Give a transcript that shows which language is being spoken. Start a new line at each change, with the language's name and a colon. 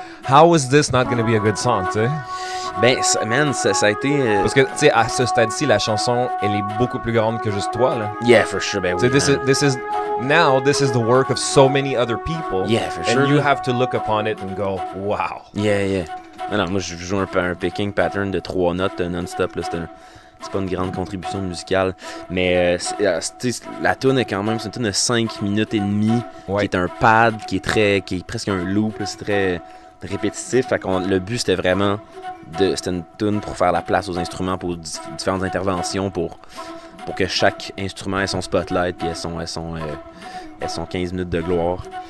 English: How is this not gonna be a good song,
French: tu sais? Ben, ça a été... Parce que, tu sais, à ce stade-ci, la chanson, elle est beaucoup plus grande que juste toi, là.
English: Yeah, for sure,
French: ben oui,
English: man. This is... Now, this is the work of so many other people. Yeah, for and sure. And you have to look upon it and go, wow. Yeah, yeah.
French: Non, moi, je joue un picking pattern de trois notes non-stop. Là. C'est pas une grande contribution musicale. Mais la toune est quand même, c'est une toune de 5 minutes et demie, qui est un pad, qui est presque un loop. Là. C'est très répétitif. Fait qu'on, le but, c'était vraiment... C'était une toune pour faire la place aux instruments, pour différentes interventions, pour que chaque instrument ait son spotlight, puis elles sont 15 minutes de gloire.